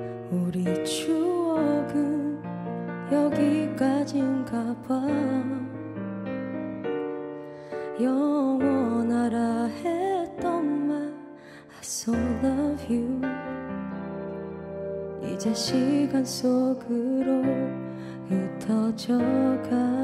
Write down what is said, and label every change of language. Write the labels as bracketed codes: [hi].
[ko] 우리 추억은 여기까지인가 봐. 영원하라 했던 말, [en] I still love you. [ko] 이제 시간 속으로 흩어져가.